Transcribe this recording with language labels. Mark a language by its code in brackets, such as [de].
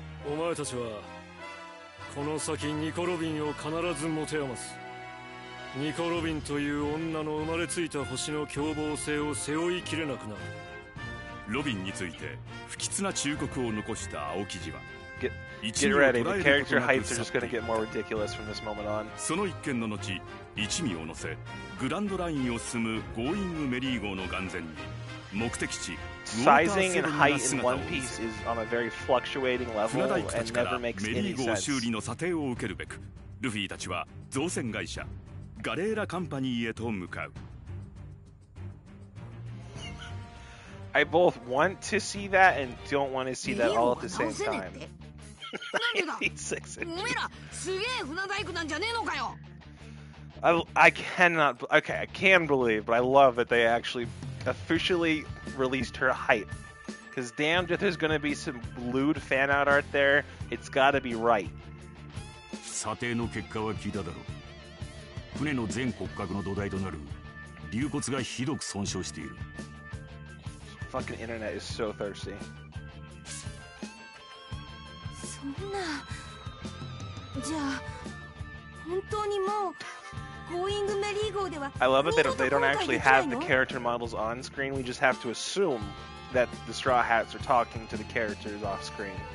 [ja] お前たちはこの先ニコロビンを必ず持て余す。ニコロビンという女の生まれついた星の凶暴性を背負いきれなくなる。ロビンについて不吉な忠告を残した青木氏は、一味を捉えることなく去っていた。 [en] Get ready. The character heights are just gonna get more ridiculous from this moment on. [ja] その一件の後、一味を乗せグランドラインを進むゴーイングメリー号の眼前に、目的地ウォーターセブンが姿を見せ、 [en] Sizing and height in one piece is on a very fluctuating level and never makes any sense. [ja] 船大工たちからメリー号修理の査定を受けるべく、ルフィたちは造船会社ガレーラカンパニーへと向かう。 [en] I both want to see that and don't want to see that all at the same time. 86 inches. [ja] おめえらすげえ船大工なんじゃねえのかよ。 [en] I cannot. Okay, I can believe, but I love that they actually officially released her height. Because damned if there's going to be some lewd fan out art there, it's got to be right. [ja] さての結果は聞いただろう。船の全骨格の土台となる竜骨がひどく損傷している。 [en] Fucking internet is so thirsty. [ja] そんな、じゃあ本当にもう。 [en] I love it that they don't actually have the character models on screen. We just have to assume that the Straw Hats are talking to the characters off screen.